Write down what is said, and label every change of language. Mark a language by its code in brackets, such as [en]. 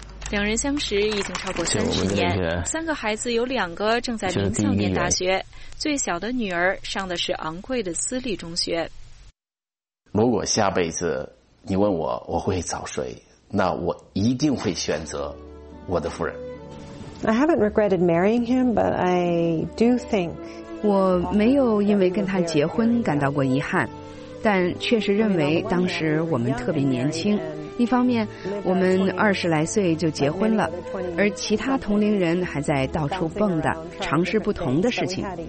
[zh] 两人相识已经超过30年，三个孩子有两个正在名校念大学，最小的女儿上的是昂贵的私立中学。如果下辈子你问我我会找谁，那我一定会选择我的夫人。 [en] I haven't regretted marrying him, but I do think [zh] 我没有因为跟他结婚感到过遗憾，但确实认为当时我们特别年轻。一方面，我们20来岁就结婚了，而其他同龄人还在到处蹦跶，尝试不同的事情。